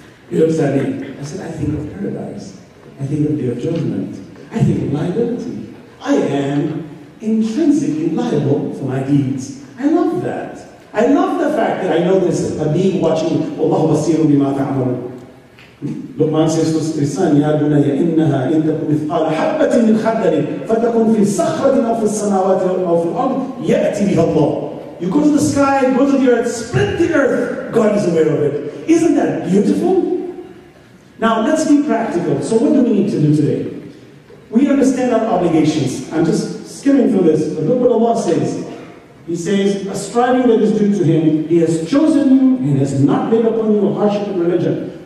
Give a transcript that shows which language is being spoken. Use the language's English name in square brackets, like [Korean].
[English] He looks at me. I said, I think of paradise. I think of the day of judgment. I think of liability. I am intrinsically liable for my deeds. I love that. I love the fact that I know this, a being watching, Allahu basiru bima ta'malun. Luqman says to his son, [Arabic] يَا بُنَيَّ إِنَّهَا إِنْ تَكُنْ مِثْقَالَ حَبَّةٍ مِنْ خَرْدَلٍ فَتَكُنْ فِي صَخْرَةٍ أَوْ فِي السَّمَاوَاتِ أَوْ فِي الْأَرْضِ يَأْتِ بِهَا اللَّهُ. [English] You go to the sky, go to the earth, split the earth, God is aware of it. Isn't that beautiful? Now, let's be practical. So what do we need to do today? We understand our obligations. I'm just skimming through this, but look what Allah says. He says, a striving that is due to him, he has chosen you and has not made upon you a harsh religion.